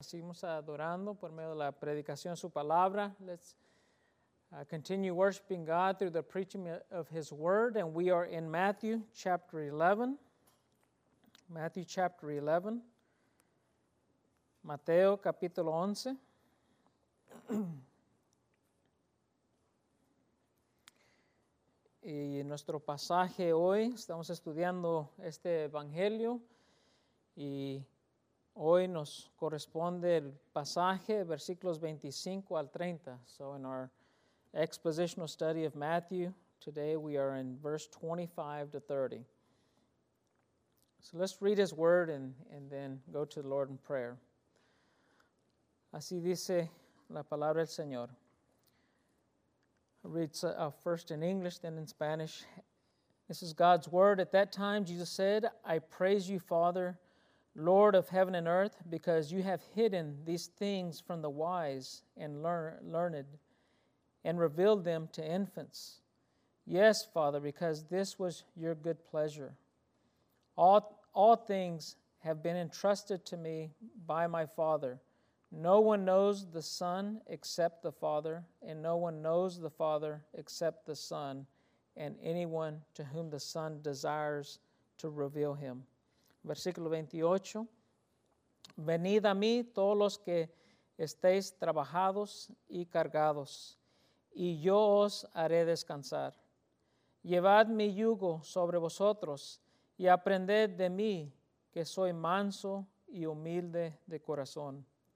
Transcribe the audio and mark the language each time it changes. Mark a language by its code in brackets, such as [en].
[es] seguimos adorando por medio de la predicación de su palabra. [en] Let's continue worshiping God through the preaching of his word. And we are in Matthew chapter 11. Matthew chapter 11. [es] Mateo capítulo 11. Y nuestro pasaje hoy, estamos estudiando este evangelio y hoy nos corresponde el pasaje, versículos 25 al 30. [en] So in our expositional study of Matthew, today we are in verse 25 to 30. So let's read his word and then go to the Lord in prayer. [es] Así dice la palabra del Señor. [en] Reads first in English, then in Spanish. This is God's word. At that time, Jesus said, I praise you, Father, Lord of heaven and earth, because you have hidden these things from the wise and learned and revealed them to infants. Yes, Father, because this was your good pleasure. All things have been entrusted to me by my Father. No one knows the Son except the Father, and no one knows the Father except the Son, and anyone to whom the Son desires to reveal him. [es] Versículo 28. Venid a mí todos los que estéis trabajados y cargados, y yo os haré descansar. Llevad mi yugo sobre vosotros, y aprended de mí, que soy manso y humilde de corazón.